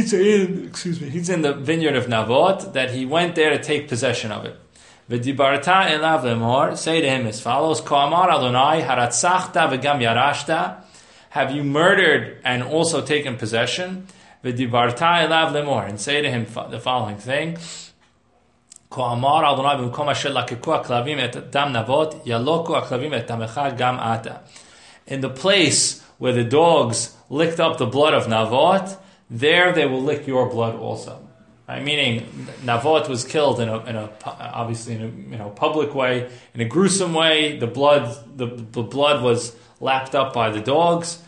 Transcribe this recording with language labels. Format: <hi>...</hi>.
<en>He's in the vineyard of Navot," that he went there to take possession of it.</en> <he>"V'dibarta elav lemor,"</he> <en>say to him as follows,</en> <he>"Ko amar Adonai, haratzachta v'gam yarashta,"</he> <en>have you murdered and also taken possession? "V'dibarta elav lemor," and say to him the following thing,</en> <he>כה אמר אדוני במקום אשר לקקו הכלבים את דם נבות, ילוקו הכלבים את דמך גם אתה.</he> <en>In the place where the dogs licked up the blood of Navot, there they will lick your blood also. Right? Meaning, Navot was killed in a public way, in a gruesome way. The blood was lapped up by the dogs.</en>